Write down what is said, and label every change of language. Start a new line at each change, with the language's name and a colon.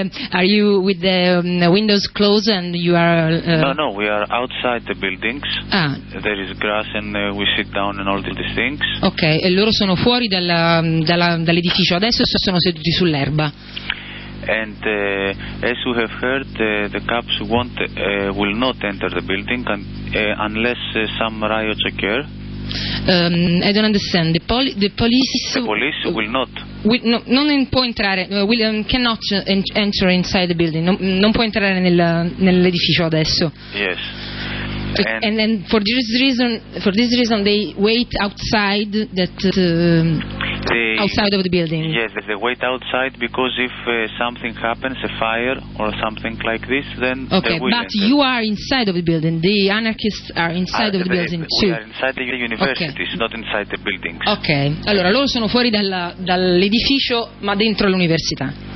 English: Are you with the windows closed and you are? No, we are outside the buildings. There is grass and we sit down and all these things.
Italian: Ok, e loro sono fuori dall'edificio adesso e sono seduti sull'erba.
English: And as you have heard, the cops will not enter the building unless some riots occur. I don't understand. The police will not. Cannot enter inside the building.
Italian: Non può entrare nell'edificio adesso.
English: Yes. And then for this reason they wait outside outside of the building. Yes, they wait outside because if something happens, a fire or something like this, then okay, they will but enter. You are inside of the building. The anarchists are inside of the building too. We are inside the universities, okay. Not inside the buildings. Okay.
Italian: Allora loro sono fuori dall'edificio ma dentro l'università.